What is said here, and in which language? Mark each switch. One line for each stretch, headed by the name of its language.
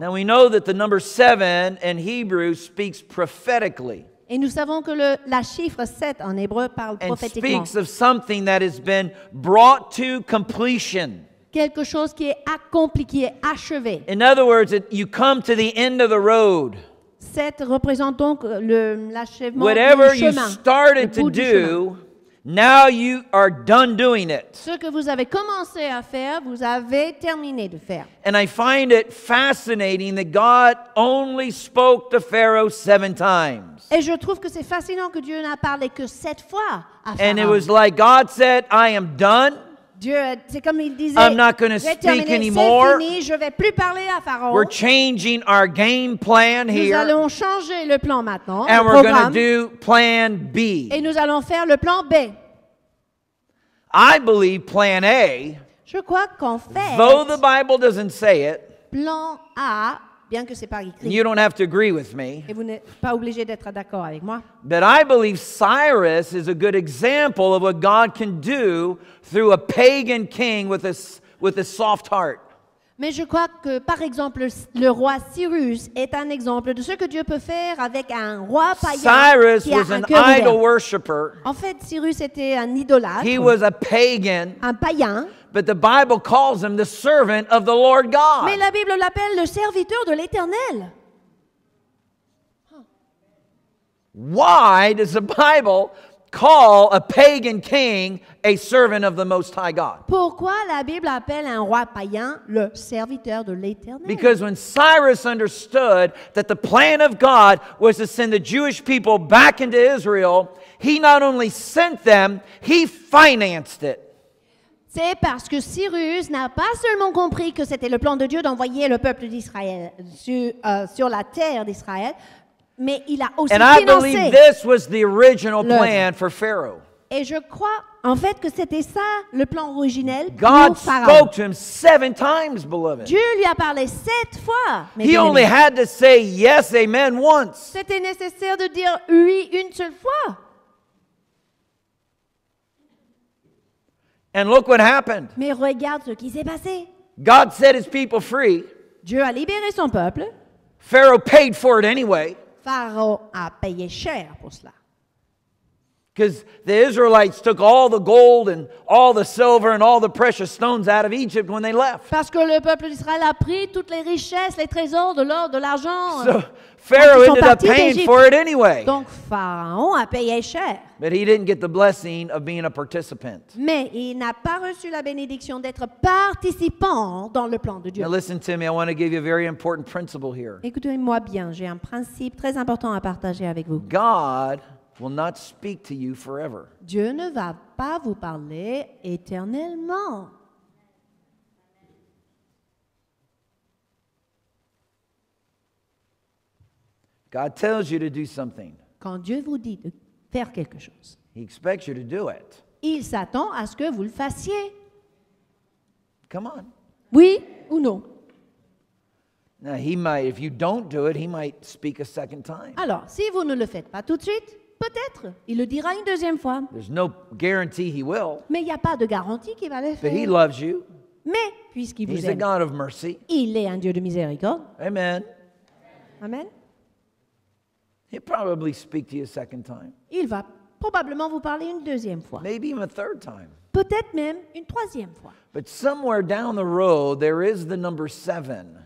English: Now we know that the number 7 in Hebrew speaks prophetically.
French: Et nous savons que la chiffre 7 en hébreu parle prophétiquement.
English: And speaks of something that has been brought to completion.
French: Quelque chose qui est accompli, qui est achevé.
English: In other words, you come to the end of the road.
French: 7 représente donc l'achèvement du
English: whatever
French: chemin,
English: you started to do. Now you are done doing it.
French: Ce que vous avez commencé à faire, vous avez terminé de faire.
English: And I find it fascinating that God only spoke to Pharaoh 7 times.
French: Et je trouve que c'est fascinant que Dieu n'a parlé que 7 fois à Pharaon.
English: And it was like God said, "I am done."
French: Dieu, c'est comme il disait,
English: I'm not going to speak anymore.
French: C'est fini, je vais plus parler à Pharaon.
English: We're changing our game plan here.
French: Nous allons changer le plan maintenant.
English: And we're going to do plan B.
French: Et nous allons faire le plan B.
English: I believe plan A.
French: Je crois qu'en fait,
English: though the Bible doesn't say it,
French: plan A, bien que c'est pas écrit.
English: You don't have to agree with me.
French: Et vous n'êtes pas obligé d'être d'accord avec moi.
English: But I believe Cyrus is a good example of what God can do through a pagan king with a soft heart.
French: Mais je crois que, par exemple, le roi Cyrus est un exemple de ce que Dieu peut faire avec un roi païen
English: Cyrus
French: qui a
English: was
French: un cœur
English: an idol worshiper.
French: En fait, Cyrus était un idolâtre.
English: He was a pagan.
French: Un païen.
English: But the Bible calls him the servant of the Lord God.
French: Mais la Bible l'appelle le serviteur de l'Éternel.
English: Why does the Bible call a pagan king a servant of the Most High God?
French: Pourquoi la Bible appelle un roi païen le serviteur de l'Éternel?
English: Because when Cyrus understood that the plan of God was to send the Jewish people back into Israel, he not only sent them, he financed it.
French: C'est parce que Cyrus n'a pas seulement compris que c'était le plan de Dieu d'envoyer le peuple d'Israël sur la terre d'Israël, mais il a aussi financé.
English: And I believe this was the original plan for Pharaoh.
French: Et je crois en fait que c'était ça le plan originel pour
English: God
French: Pharaon.
English: God spoke to him seven times, beloved.
French: Dieu lui a parlé sept fois.
English: He only had to say yes, amen once.
French: C'était nécessaire de dire oui une seule fois.
English: And look what happened.
French: Mais regarde ce qui s'est passé.
English: God set his people free.
French: Dieu a libéré son peuple.
English: Pharaoh paid for it anyway.
French: Pharaon a payé cher pour cela.
English: Because the Israelites took all the gold and all the silver and all the precious stones out of Egypt when they left.
French: Parce que le peuple d'Israël a pris toutes les richesses, les trésors, de l'or, de l'argent.
English: So Pharaoh ended up paying for it anyway.
French: Donc Pharaon a payé cher.
English: But he didn't get the blessing of being a participant.
French: Mais il n'a pas reçu la bénédiction d'être participant dans le plan de Dieu.
English: Now listen to me, I want to give you a very important principle here.
French: Écoutez-moi bien, j'ai un principe très important à partager avec vous.
English: God will not speak to you forever.
French: Dieu ne va pas vous parler éternellement.
English: God tells you to do something.
French: Quand Dieu vous dit de faire quelque chose.
English: He expects you to do it.
French: Il s'attend à ce que vous le fassiez.
English: Come on.
French: Oui ou non?
English: Now he might, if you don't do it, he might speak a second time.
French: Alors, si vous ne le faites pas tout de suite, peut-être, il le dira une deuxième fois.
English: There's no guarantee he will.
French: Mais il n'y a pas de garantie qu'il va le faire.
English: But he loves you.
French: Mais puisqu'il
English: He's
French: vous aime.
English: A God of mercy.
French: Il est un Dieu de miséricorde.
English: Amen.
French: Amen.
English: He'll probably speak to you a second time.
French: Il va probablement vous parler une deuxième fois.
English: Maybe even a third time.
French: Peut-être même une troisième fois.
English: But somewhere down the road, there is the number seven.